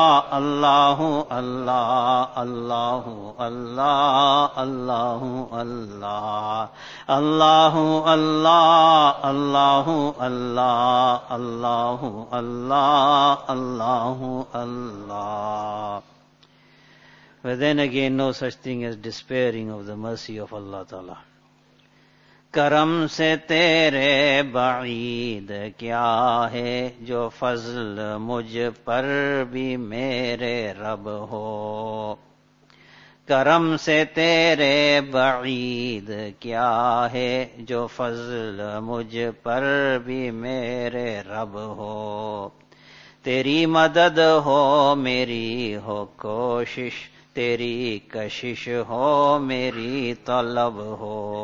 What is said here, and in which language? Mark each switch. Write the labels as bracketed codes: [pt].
[ar] اللہ اللہ اللہ اللہ اللہ اللہ اللہ اللہ اللہ اللہ اللہ اللہ اللہ اللہ. [en] But then again, no such thing as despairing of the mercy of Allah Ta'ala. [ur] کرم سے تیرے بعید کیا ہے جو فضل مجھ پر بھی میرے رب ہو، کرم سے تیرے بعید کیا ہے جو فضل مجھ پر بھی میرے رب ہو، تیری مدد ہو میری ہو کوشش، تیری کشش ہو میری طلب ہو،